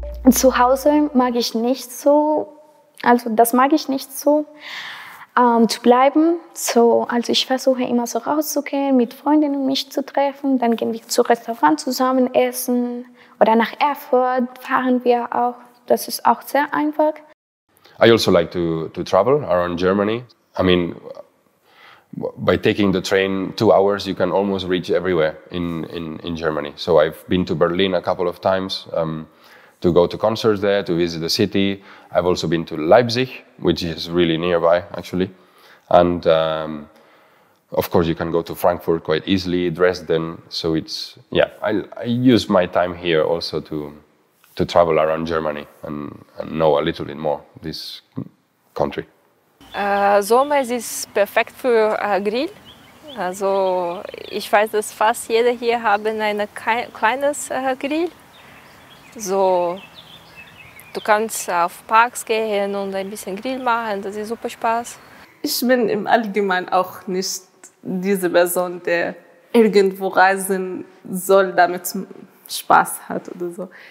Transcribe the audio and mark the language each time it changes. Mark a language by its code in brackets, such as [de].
[de] Zu Hause mag ich nicht so, zu bleiben. So, also ich versuche immer so rauszugehen, mit Freundinnen mich zu treffen. Dann gehen wir zu Restaurant zusammen essen oder nach Erfurt fahren wir auch. Das ist auch sehr einfach. [en] I also like to travel around Germany. I mean, by taking the train 2 hours, you can almost reach everywhere in Germany. So I've been to Berlin a couple of times. To go to concerts there, to visit the city. I've also been to Leipzig, which is really nearby, actually. And of course, you can go to Frankfurt quite easily, Dresden. So it's, yeah, I use my time here also to travel around Germany and know a little bit more this country. [de] Sommer ist perfekt für Grill. Also ich weiß, dass fast jeder hier haben ein kleines Grill. So, du kannst auf Parks gehen und ein bisschen Grill machen, das ist super Spaß. Ich bin im Allgemeinen auch nicht diese Person, der irgendwo reisen soll, damit Spaß hat oder so.